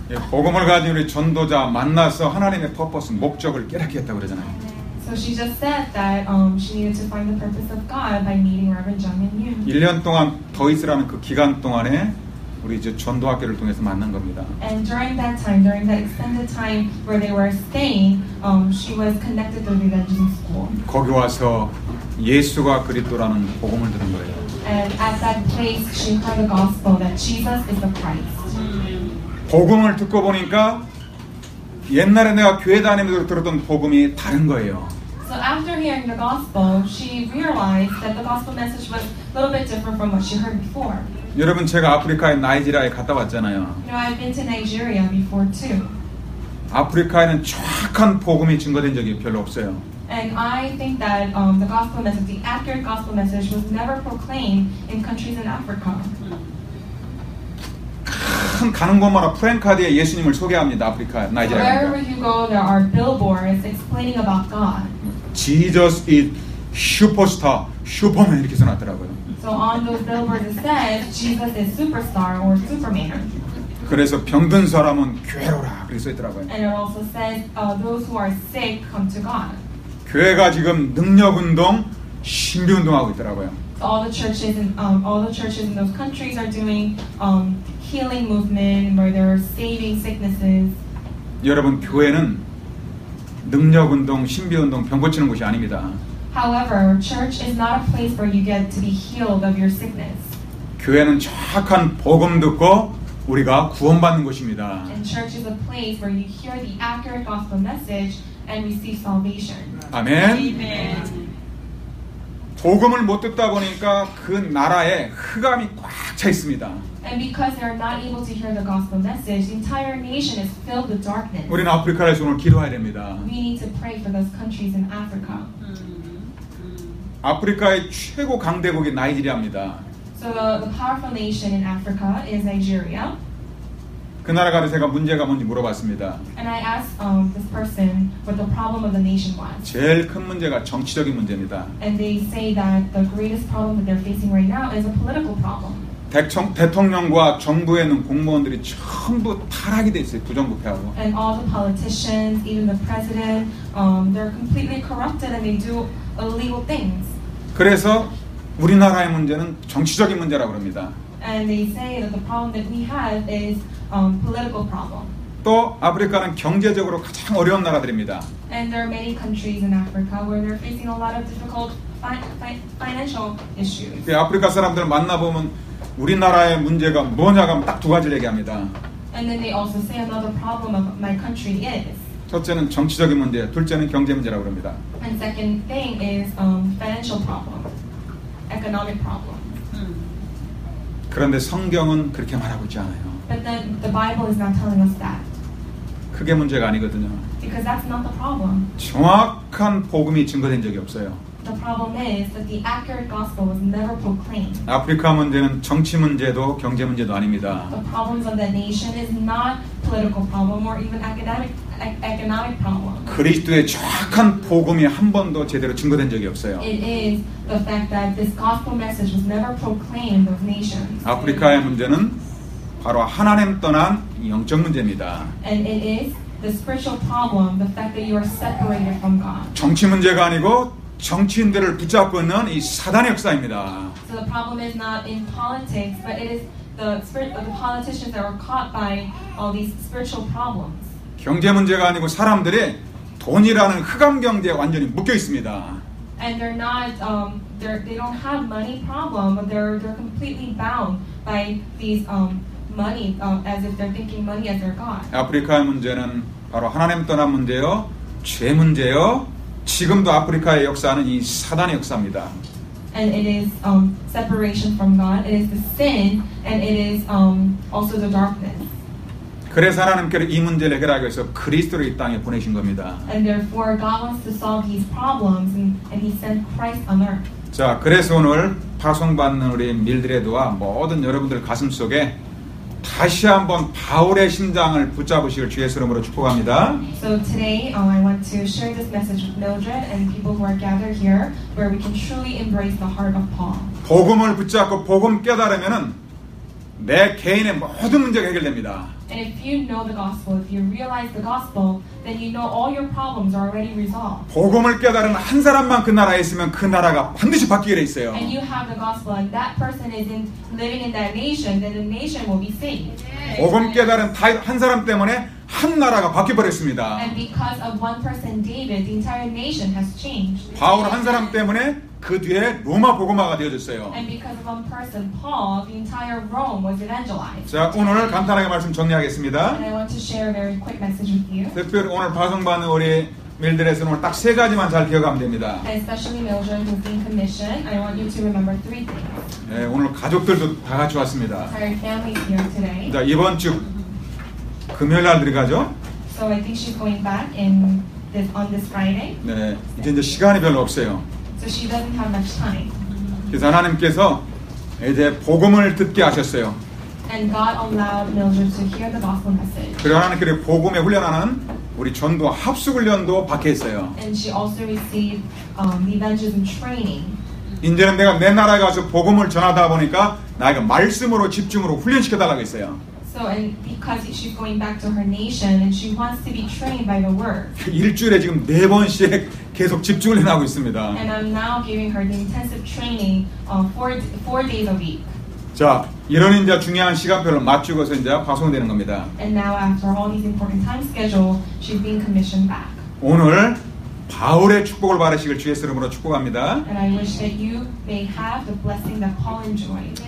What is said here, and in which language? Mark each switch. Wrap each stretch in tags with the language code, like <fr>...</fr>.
<ko>복음을 가진 우리 전도자 만나서 하나님의 퍼포스 목적을 깨닫게 했다고 그러잖아요.</ko> <en>So she just said that she needed to find the purpose of God by meeting Reverend Jung and Yoon.</en> <ko>1년 동안 더 있으라는 그 기간 동안에 우리 이제 전도 학교를 통해서 만난 겁니다.</ko> <en>And during that time, during that extended time where they were staying, she was connected to the Evangelism School.</en> <ko>거기 와서 예수가 그리스도라는 복음을 들은 거예요.</ko> <en>And at that place, she heard the gospel that Jesus is the Christ.</en> <ko>복음을 듣고 보니까 옛날에 내가 교회 다니면서 들었던 복음이 다른 거예요.</ko> <en>So after hearing the gospel, she realized that the gospel message was a little bit different from what she heard before.</en> <ko>여러분 제가 아프리카의 나이지리아에 갔다 왔잖아요.</ko> <en>You know, I've been to Nigeria before too.</en> <ko>아프리카에는 정확한 복음이 증거된 적이 별로 없어요.</ko> <en>And I think that the gospel message, the accurate gospel message was never proclaimed in countries in Africa.</en> <ko>큰 가는 곳마다 프랜카드에 예수님을 소개합니다. 아프리카 나이지리아.</ko> <en>Wherever you go there are billboards explaining about God. Jesus is superstar, superman</en> <ko>이렇게 써 놨더라고요.</ko> <en>So on those billboards it says Jesus is superstar or superman.</en> <ko>그래서 병든 사람은 교회로 오라 그렇게 써 있더라고요.</ko> <en>And it also says those who are sick come to God.</en> <ko>교회가 지금 능력 운동, 신비 운동하고 있더라고요.</ko> <en>So all the churches in all the churches in those countries are doing healing movement where they're saving sicknesses.</en> <ko>여러분 교회는 능력 운동, 신비 운동, 병 고치는 곳이 아닙니다.</ko> <en>However, church is not a place where you get to be healed of your sickness.</en> <ko>교회는 정확한 복음 듣고 우리가 구원받는 곳입니다.</ko> <en>And church is a place where you hear the accurate gospel message and receive salvation.</en> <ko>아멘. 아멘. 복음을 못 듣다 보니까 그 나라에 흑암이 꽉 차 있습니다.</ko> <en>And because they are not able to hear the gospel message, the entire nation is filled with darkness.</en> <ko>우리는 아프리카를 오늘 기도해야 됩니다.</ko> <en>We need to pray for those countries in Africa.</en> <ko>아프리카의 최고 강대국이 나이지리아입니다.</ko> <en>So the powerful nation in Africa is Nigeria.</en> <ko>그 나라 가서 제가 문제가 뭔지 물어봤습니다.</ko> <en>And I asked this person what the problem of the nation was.</en> <ko>제일 큰 문제가 정치적인 문제입니다.</ko> <en>And they say that the greatest problem that they're facing right now is a political problem.</en> <ko>대통령과 정부에는 공무원들이 전부 타락이 돼 있어요. 부정부패하고.</ko> <en>And all the politicians, even the president, they're completely corrupted and they do illegal things.</en> <ko>그래서 우리나라의 문제는 정치적인 문제라고 합니다.</ko> <en>And they say that the problem that we have is political problem.</en> <ko>또 아프리카는 경제적으로 가장 어려운 나라들입니다.</ko> <en>And there are many countries in Africa where they're facing a lot of difficult financial issues.</en> <ko>그 아프리카 사람들 만나 보면 우리나라의 문제가 뭐냐 하면 딱 두 가지를 얘기합니다.</ko> <en>And then they also say another problem of my country is.</en> <ko>첫째는 정치적인 문제, 둘째는 경제 문제라고 합니다.</ko> <en>And second thing is financial problem. Economic problem.</en> <ko>그런데 성경은 그렇게 말하고 있지 않아요.</ko> <en>But then the Bible is not telling us that.</en> <ko>그게 문제가 아니거든요.</ko> <en>Because that's not the problem.</en> <ko>정확한 복음이 증거된 적이 없어요.</ko> <en>The problem is that the accurate gospel was never proclaimed.</en> <ko>아프리카 문제는 정치 문제도 경제 문제도 아닙니다.</ko> <en>The problems of the nation is not political problem or even economic problem.</en> <ko>그리스도의 정확한 복음이 한 번도 제대로 증거된 적이 없어요.</ko> <en>It is the fact that this gospel message was never proclaimed of nations.</en> <ko>아프리카의 문제는 바로 하나님 떠난 영적 문제입니다.</ko> <en>And it is the spiritual problem, the fact that you are separated from God.</en> <ko>정치 문제가 아니고 정치인들을 붙잡고 있는 이 사단의 역사입니다.</ko> <en>So the problem is not in politics, but it is the spirit of the politicians that were caught by all these spiritual problems.</en> <ko>경제 문제가 아니고 사람들이 돈이라는 흑암 경제에 완전히 묶여 있습니다.</ko> <en>And they're not they don't have money problem, but they're completely bound by these as if they're thinking money as their god.</en> <ko>아프리카의 문제는 바로 하나님 떠난 문제요, 죄 문제요. 지금도 아프리카의 역사는 이 사단의 역사입니다.</ko> <en>And it is separation from God. It is the sin, and it is also the darkness.</en> <ko>그래서 하나님께서 이 문제를 해결하기 위해서 그리스도를 이 땅에 보내신 겁니다.</ko> <en>And therefore, God wants to solve these problems, and He sent Christ on earth.</en> <ko>자, 그래서 오늘 파송받는 우리 밀드레드와 모든 여러분들 가슴 속에 다시 한번 바울의 심장을 붙잡으시길 주의 이름으로 축복합니다.</ko> <en>So today I want to share this message with Mildred and people who are gathered here where we can truly embrace the heart of Paul.</en> <ko>복음을 붙잡고 복음 깨달으면은 내 개인의 모든 문제가 해결됩니다.</ko> <en>And if you know the gospel, if you realize the gospel, then you know all your problems are already resolved.</en> <ko>복음을 깨달은 한 사람만 그 나라에 있으면 그 나라가 반드시 바뀌게 돼 있어요.</ko> <en>And you have the gospel, and that person is in living in that nation, then the nation will be saved.</en> <ko>복음 깨달은 한 사람 때문에 한 나라가 바뀌어버렸습니다.</ko> <en>And because of one person, David, the entire nation has changed.</en> <ko>바울 한 사람 때문에 그 뒤에 로마 복음화가 되어졌어요.</ko> <en>And because of one person, Paul, the entire Rome was evangelized.</en> <ko>자, 오늘 간단하게 말씀 정리하겠습니다.</ko> <en>And I want to share a very quick message with you.</en> <ko>특별히 오늘 파송받는 우리 밀드레스는 오늘 딱 세 가지만 잘 기억하면 됩니다.</ko> <en>And especially Mildred, who's being commissioned, I want you to remember three things.</en> <ko>네, 오늘 가족들도 다 같이 왔습니다.</ko> <en>Entire family here today.</en> <ko>자, 이번 주 금요일 날 들어가죠?</ko> <en>So I think she's going back in this, on this Friday.</en> <ko>네, 이제 시간이 별로 없어요.</ko> <en>So she doesn't have much time.</en> <ko>그래서 하나님께서 이제 복음을 듣게 하셨어요.</ko> <en>And God allowed Mildred to hear the gospel message.</en> <ko>그리고 하나님께서 복음에 훈련하는 우리 전도 합숙 훈련도 받게 했어요.</ko> <en>And she also received evangelism training.</en> <ko>이제는 내가 내 나라에 가서 복음을 전하다 보니까 나에게 말씀으로 집중으로 훈련시켜 달라고 했어요.</ko> <en>So and because she's going back to her nation and she wants to be trained by the word.</en> <ko>일주일에 지금 네 번씩 계속 집중을 해 나가고 있습니다.</ko> <en>And I'm now giving her the intensive training four days a week.</en> <ko>자, 이런 이제 중요한 시간표를 맞추고서 이제 파송되는 겁니다.</ko> <en>And now after all these important time schedule, she's being commissioned back.</en> <ko>오늘 바울의 축복을 받으시길 주 예수 이름으로 축복합니다.</ko> <en>And I wish that you may have the blessing that Paul enjoyed.</en>